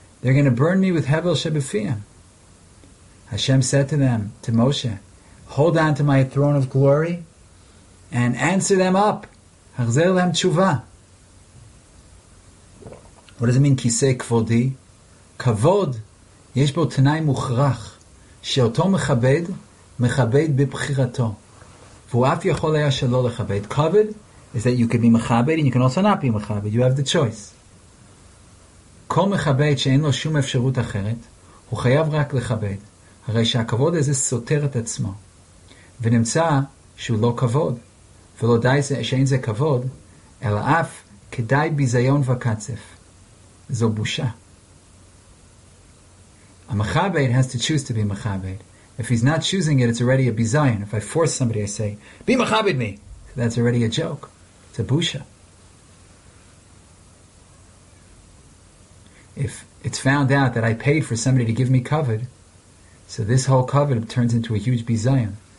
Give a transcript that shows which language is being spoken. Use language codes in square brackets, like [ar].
[en] They're going to burn me with [he] hevel shebefiyam. [en] Hashem said to them, to Moshe, hold on to my throne of glory and answer them up. [he] Hachzer lehem tshuva. [en] What does it mean, kisei kvodi? [he] Kavod, יש בו תנאי מוכרח, שאותו מכבד, מכבד בבחירתו. והוא אף יכול היה שלא לכבד. [en] Kavod is that you can be מכבד, and you can also not be מכבד. You have the choice. [he] כל מכבד שאין לו שום אפשרות אחרת, הוא חייב רק לכבד. הרי שהכבוד הזה סותר את עצמו. ונמצא שהוא לא כבוד. ולא די שאין זה כבוד, אלא אף כדאי ביזיון וקצף. זו בושה. [en] A mechabed has to choose to be mechabed. If he's not choosing it, it's already a bizayon. If I force somebody, I say, be mechabed me! So that's already a joke. It's a busha. If it's found out that I paid for somebody to give me kavod, so this whole kavod turns into a huge bizayon.